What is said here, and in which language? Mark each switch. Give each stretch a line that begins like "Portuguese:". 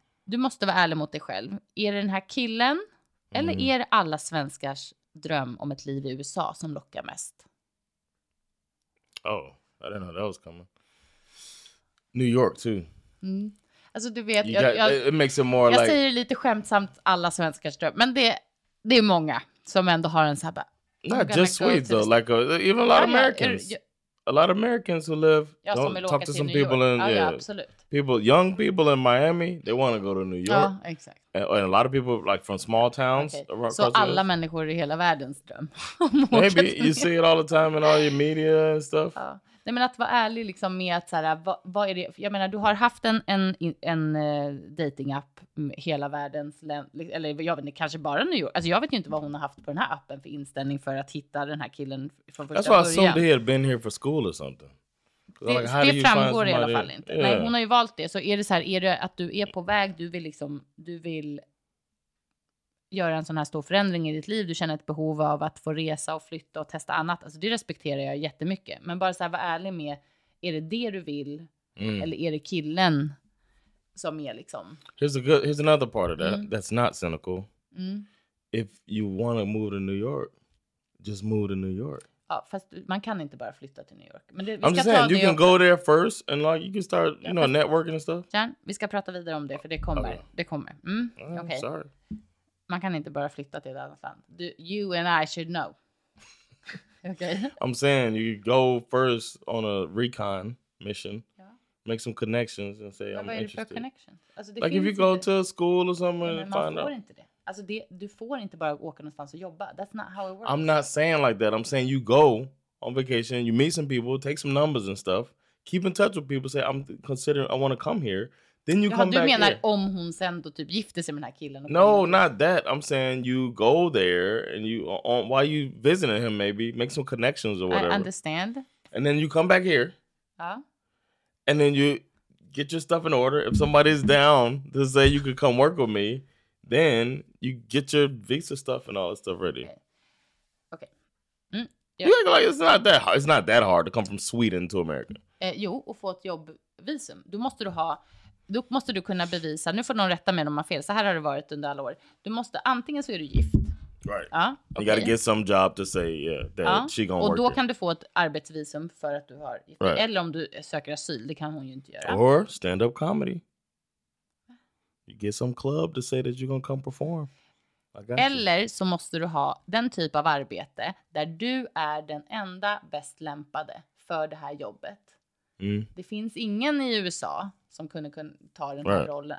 Swedish: du måste vara ärlig mot dig själv. Är det den här killen? Eller är det alla svenskars dröm om ett liv i USA som lockar mest?
English: Oh, I didn't know that was coming. New York too.
Swedish: Mm. Alltså du vet, jag säger det lite skämtsamt, alla svenskars dröm. Men det är många som ändå har en sån här...
English: Not just sweet though, like even a lot of Americans. A lot of Americans who live, don't talk to some people in, young people in Miami, they want to go to New York.
Swedish: Ja,
English: exakt. And a lot of people like from small towns. Okay.
Swedish: Så alla människor i hela världens dröm.
English: Maybe you see it all the time in all your media and stuff.
Swedish: Ja. Nej, men att vara ärlig liksom med att så här, vad är det? Jag menar, du har haft en dating-app hela världens, eller jag vet inte, kanske bara New York. Alltså jag vet ju inte vad hon har haft på den här appen för inställning för att hitta den här killen från första början.
English: That's why I assumed he had been here for school or something.
Swedish: Det framgår i alla fall inte. Yeah. Nej, hon har ju valt det. Så är det så här, är det att du är på väg, du vill göra en sån här stor förändring i ditt liv, du känner ett behov av att få resa och flytta och testa annat. Alltså det respekterar jag jättemycket. Men bara så här, var ärlig med, är det det du vill? Mm. Eller är det killen som är liksom...
English: Here's another part of that that's not cynical. Mm. If you want to move to New York, just move to New York.
Swedish: Ja, fast man kan inte bara flytta till New York. Men det,
English: Can go there first and like you can start, you know, networking and stuff.
Swedish: Jan, vi ska prata vidare om det, för det kommer. Okay. Det kommer. Mm. Okay.
English: Sorry.
Swedish: Man kan inte bara flytta till ett annat land.
English: You and I should know. Okay. I'm saying you go first on a recon mission. Make some connections and say I'm interested.
Swedish: Vad är det för connection?
English: Alltså, like if you go to a school or something and find out.
Swedish: Man får inte det. Alltså det, du får inte bara åka någonstans och jobba.
English: That's not how it works. I'm not saying like that. I'm saying you go on vacation, you meet some people, take some numbers and stuff. Keep in touch with people, say I'm considering, I want to come here. Then you come back.
Swedish: Du menar
English: here.
Swedish: Om hon sen då typ gifter sig med den här killen?
English: No, not that. I'm saying you go there and you while you visiting him maybe, make some connections or whatever. I understand. And then you come back here.
Swedish: Ja.
English: And then you get your stuff in order. If somebody's down to say you could come work with me, then you get your visa stuff and all that stuff ready. Okay. Okay. Mm, yeah. Like it's not that hard to come from Sweden to America.
Swedish: Jo, och få ett jobbvisum. Då måste du kunna bevisa. Nu får någon rätta mig om man fel. Så här har det varit under alla år. Du måste, antingen så är du gift.
English: Right. You gotta get some job to say that she gonna work.
Swedish: Och då kan du få ett arbetsvisum för att du har gift. Right. Eller om du söker asyl, det kan hon ju inte göra.
English: Or stand up comedy. You get some club to say that you're gonna come perform.
Swedish: Eller så måste du ha den typ av arbete där du är den enda bäst lämpade för det här jobbet. Mm. Det finns ingen i USA som kunde ta den här rollen.